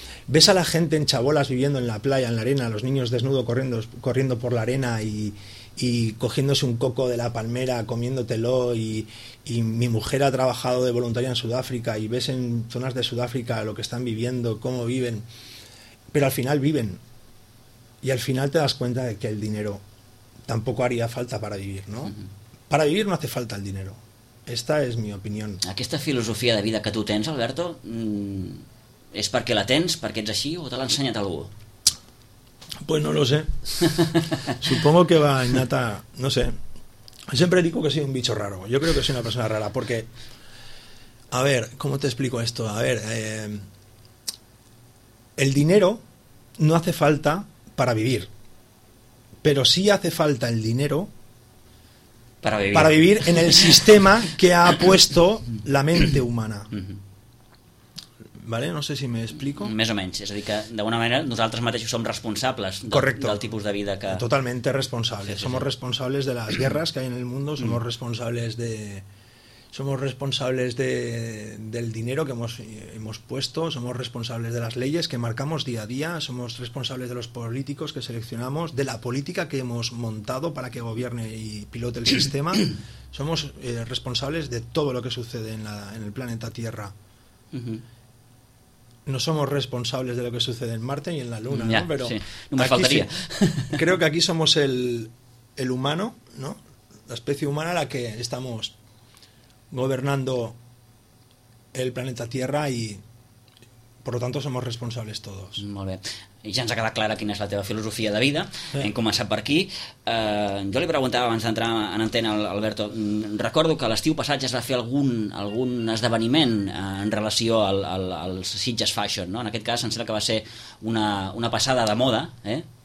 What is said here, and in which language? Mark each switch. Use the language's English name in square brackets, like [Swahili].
[Spanish] Ves a la gente en chabolas viviendo en la playa, en la arena, los niños desnudos corriendo por la arena y cogiéndose un coco de la palmera, comiéndotelo, y mi mujer ha trabajado de voluntaria en Sudáfrica, y ves en zonas de Sudáfrica lo que están viviendo, cómo viven... Pero al final viven. Y al final te das cuenta de que el dinero tampoco haría falta para vivir, ¿no? Para vivir no hace falta el dinero. Esta es mi opinión. [Catalan] Aquesta filosofia de vida que tu tens, Alberto, és perquè la tens, perquè ets així, o te l'ha ensenyat algú? [Spanish] Pues no lo sé. Supongo que va innata, no sé. Siempre digo que soy un bicho raro. Yo creo que soy una persona rara, porque... A ver, ¿cómo te explico esto? A ver... El dinero no hace falta para vivir, pero sí hace falta el dinero para vivir en el sistema que ha puesto la mente humana. [Catalan] ¿vale? No sé si m'explico. Més o menys, és a dir que d'alguna manera nosaltres mateixos som responsables del tipus de vida que... [Spanish] Totalmente responsables, sí, sí, somos responsables de las guerras que hay en el mundo, somos responsables de... Somos responsables de, del dinero que hemos puesto, somos responsables de las leyes que marcamos día a día, somos responsables de los políticos que seleccionamos, de la política que hemos montado para que gobierne y pilote el sistema. Somos responsables de todo lo que sucede en el planeta Tierra. No somos responsables de lo que sucede en Marte y en la Luna, ya, ¿no? Pero sí, no me faltaría. Sí, creo que aquí somos el humano, ¿no? La especie humana a la que estamos... gobernando el planeta Tierra y por lo tanto somos responsables todos. [Catalan] Molt bé. I ja ens ha quedat clara quina és la teva filosofia de vida. Sí. Hem començat per aquí. Jo li preguntava abans d'entrar en antena, Alberto, recordo que l'estiu passat ja es va fer algun esdeveniment en relació al Sitges Fashion, no? En aquest cas, em sembla que va ser una passada de moda, eh?